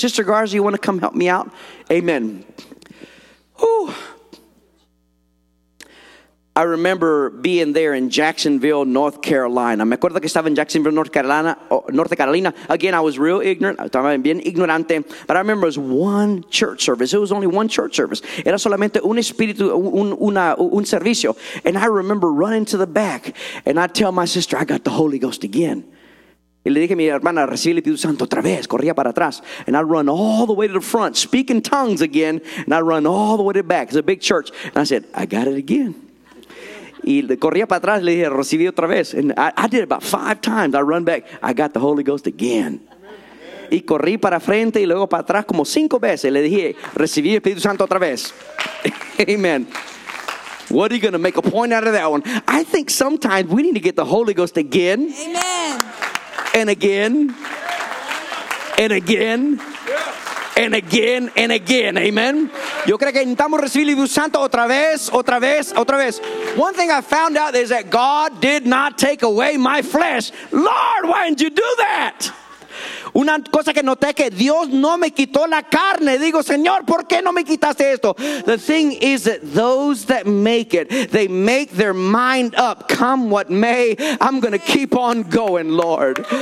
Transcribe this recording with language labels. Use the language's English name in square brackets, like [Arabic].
[English] Sister Garza, you want to come help me out? Amen. Whew. I remember being there in Jacksonville, North Carolina. [Spanish] Me acuerdo que estaba en Jacksonville, North Carolina. [English] Again, I was real ignorant. [Spanish] Estaba bien ignorante. [English] But I remember it was one church service. It was only one church service. [Spanish] Era solamente un espíritu, un servicio. [English] And I remember running to the back. And I tell my sister, I got the Holy Ghost again. [Spanish] Y le dije a mi hermana, recibí el Espíritu Santo otra vez. Corría para atrás. [English] And I run all the way to the front, speaking tongues again. And I run all the way to the back. It's a big church. And I said, I got it again. [Spanish] Y corría para atrás, le dije, recibí otra vez. [English] And I did it about 5 times. I run back. I got the Holy Ghost again. Amen. [Spanish] Y corrí para frente y luego para atrás como 5 veces. Le dije, recibí el Espíritu Santo otra vez. Amen. [English] What are you going to make a point out of that one? I think sometimes we need to get the Holy Ghost again. Amen. And again. And again. And again, and again, amen. [Spanish] Yo creo que intentamos recibir el Espíritu Santo otra vez, otra vez, otra vez. [English] One thing I found out is that God did not take away my flesh. Lord, why didn't you do that? [Spanish] Una cosa que noté que Dios no me quitó la carne. Digo, Señor, ¿por qué no me quitaste esto? [English] The thing is that those that make it, they make their mind up. Come what may, I'm going to keep on going, Lord.